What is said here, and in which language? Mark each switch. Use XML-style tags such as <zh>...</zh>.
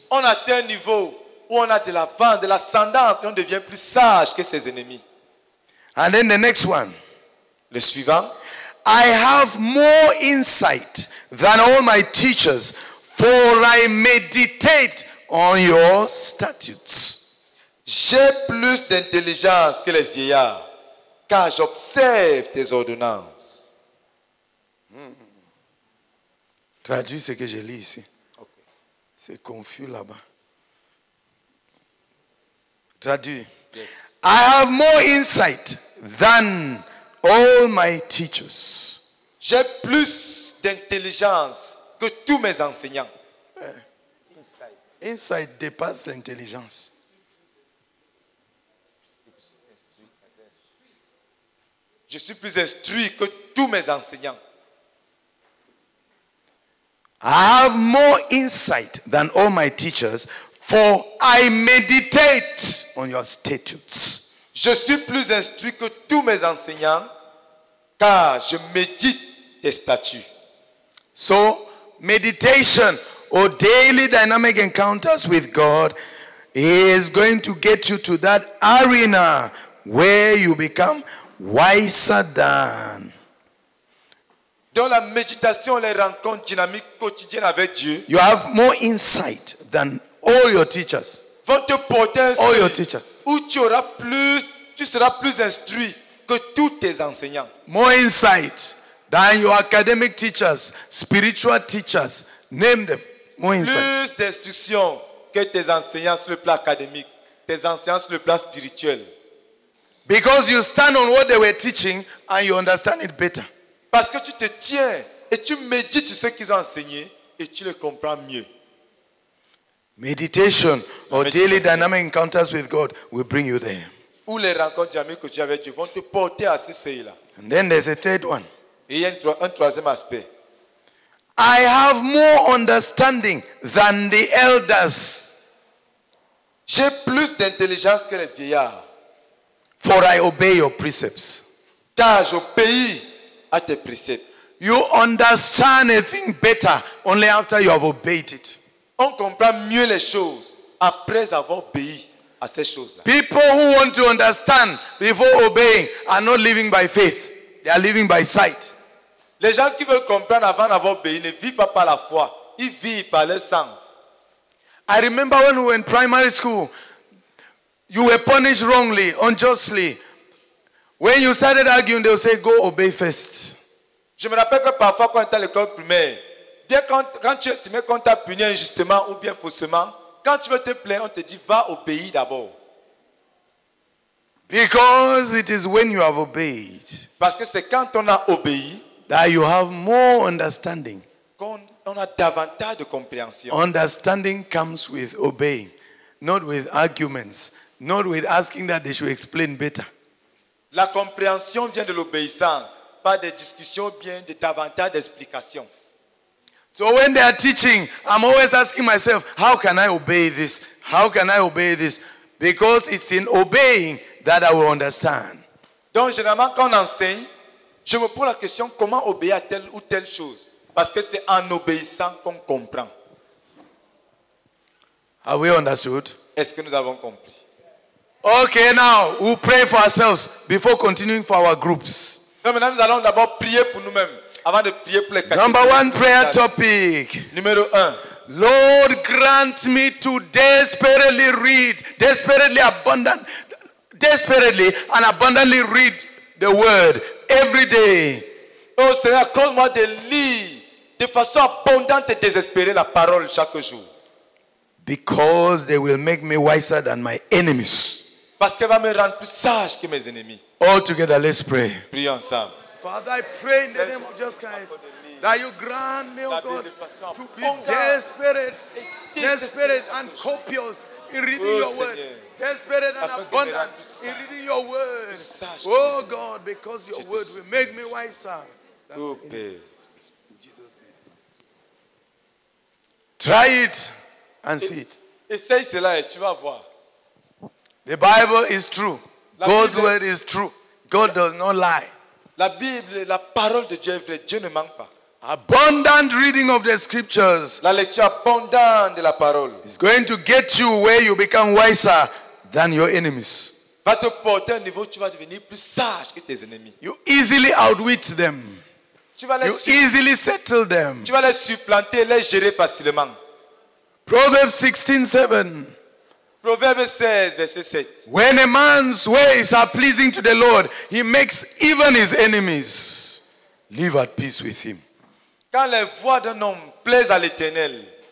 <fr>On atteint un niveau où on a de l'avant, de l'ascendance, et on devient plus sage que ses ennemis.</fr> <en>And then the next one,</en> <fr>le suivant,</fr> <en>I have more insight than all my teachers, for I meditate on your statutes.</en> <fr>J'ai plus d'intelligence que les vieillards, car j'observe tes ordonnances. Traduis ce que je lis ici. Okay. C'est confus là-bas. Traduis.</fr> <en>Yes. I have more insight than all my teachers.</en> <fr>J'ai plus d'intelligence que tous mes enseignants. Insight dépasse l'intelligence. Je suis plus instruit que tous mes enseignants.</fr> <en>I have more insight than all my teachers, for I meditate on your statutes.</en> <fr>Je suis plus instruit que tous mes enseignants, car je médite tes statuts.</fr> <en>So, meditation or daily dynamic encounters with God is going to get you to that arena where you become wiser than.</en> <fr>Dans la méditation, les rencontres dynamiques quotidiennes avec Dieu,</fr> <en>you have more insight than all your teachers.</en> <fr>Vont te porter un</fr> <en>all your teachers.</en> <fr>Où tu seras plus instruit que tous tes enseignants.</fr> <en>More insight than your academic teachers, spiritual teachers. Name them. More insight.</en> <fr>Plus d'instruction que tes enseignants sur le plan académique, tes enseignants sur le plan spirituel.</fr> <en>Because you stand on what they were teaching and you understand it better.</en> <fr>Parce que tu te tiens et tu médites ce qu'ils ont enseigné et tu le comprends mieux.</fr> <en>Meditation or daily dynamic encounters with God will bring you there.</en> <fr>Ou les rencontres dynamiques que tu as avec Dieu vont te porter à ce seuil-là.</fr> <en>And then there's a third one.</en> <fr>Et il y a un troisième aspect.</fr> <en>I have more understanding than the elders.</en> <fr>J'ai plus d'intelligence que les vieillards.</fr> <en>For I obey your precepts.</en> <fr>Car j'obéis à tes préceptes.</fr> <en>You understand a thing better only after you have obeyed it.</en> <fr>On comprend mieux les choses après avoir obéi à ces choses-là.</fr> <en>People who want to understand before obeying are not living by faith. They are living by sight.</en> <fr>Les gens qui veulent comprendre avant d'avoir obéi ne vivent pas par la foi. Ils vivent par leur sens.</fr> <en>I remember when we were in primary school, you were punished wrongly, unjustly. When you started arguing, they would say, go obey first.</en> <fr>Je me rappelle que parfois, quand tu es à l'école primaire, bien quand tu estimais qu'on t'a puni injustement ou bien faussement, quand tu veux te plaindre, on te dit, va obéir d'abord.</fr> <en>Because it is when you have obeyed.</en> <fr>Parce que c'est quand on a obéi</fr> <en>that you have more understanding.</en> <fr>Qu'on a davantage de compréhension.</fr> <en>Understanding comes with obeying, not with arguments. Not with asking that they should explain better.</en> <fr>La compréhension vient de l'obéissance, pas des discussions, bien de davantage d'explications.</fr> <en>So when they are teaching, I'm always asking myself, how can I obey this? How can I obey this? Because it's in obeying that I will understand.</en> <fr>Donc généralement quand on enseigne, je me pose la question comment obéir à telle ou telle chose, parce que c'est en obéissant qu'on comprend.</fr> <en>Have we understood?</en> <fr>Est-ce que nous avons compris?</fr> <en>Okay, now we'll pray for ourselves before continuing for our groups.</en> <fr>Non, maintenant nous allons d'abord prier pour nous-mêmes avant de prier pour les quatre.</fr> <en>Number one prayer topic.</en> <fr>Numéro un.</fr> <en>Lord, grant me to desperately read, desperately abundant, desperately and abundantly read the word every day.</en> <fr>Oh Seigneur, accorde-moi de lire de façon abondante et désespérée la parole chaque jour.</fr> <en>Because they will make me wiser than my enemies.</en> <fr>Parce qu'elle va me rendre plus sage que mes ennemis.</fr> <en>All together, let's pray.</en> <fr>Prions ensemble.</fr> <en>Father, I pray in the name of Jesus Christ that you grant me, oh God, to be desperate and copious in reading your word. Desperate and abundant in reading your word. Oh God, because your word will make me wiser. Try it and see it.</en> <fr>Essaye cela et tu vas voir.</fr> <en>The Bible is true. God's word is true. God does not lie.</en> <fr>La Bible, la parole de Dieu est vraie. Dieu ne manque pas.</fr> <en>Abundant reading of the scriptures.</en> <fr>La lecture abondante de la parole.</fr> <en>Is going to get you where you become wiser than your enemies.</en> <fr>Va te porter un niveau, tu vas devenir plus sage que tes ennemis.</fr> <en>You easily outwit them. You easily settle them.</en> <fr>Tu vas les supplanter, les gérer facilement.</fr> <en>Proverbs 16:7.</en> <fr>Proverbe 16, verset 7.</fr> <en>When a man's ways are pleasing to the Lord, he makes even his enemies live at peace with him.</en> <fr>Quand les voies d'un homme plaisent à l'Éternel.</fr>